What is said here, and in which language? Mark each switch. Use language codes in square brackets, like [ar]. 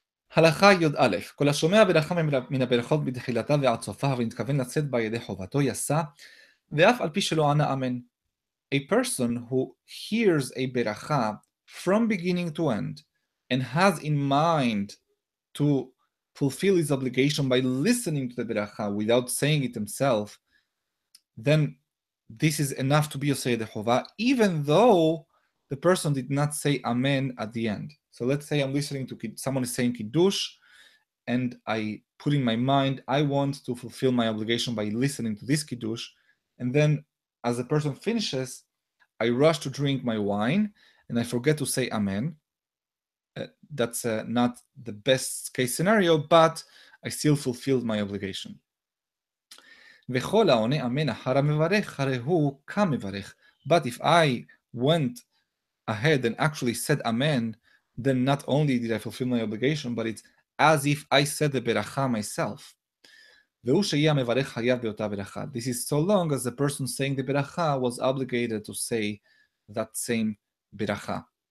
[he] הלכה יוד א', כל השומע ברכה מן הברכות בתחילתה ועד סופה ונתכוון לצאת בה ידי חובתו יסה, ואף על פי שלא ענה אמן. [en] A person who hears a ברכה from beginning to end and has in mind to fulfill his obligation by listening to the ברכה without saying it himself, then this is enough to be [he] יוסה ידי חובה, [en] even though the person did not say amen at the end. So let's say I'm listening to someone is saying kiddush, and I put in my mind, I want to fulfill my obligation by listening to this kiddush. And then as the person finishes, I rush to drink my wine, and I forget to say amen. That's not the best case scenario, but I still fulfilled my obligation. [he] וכל העונה אמן אחר המברך, הרי הוא כמברך. [en] But if I went ahead and actually said amen, then not only did I fulfill my obligation, but it's as if I said the beracha myself. This is so long as the person saying the beracha was obligated to say that same beracha.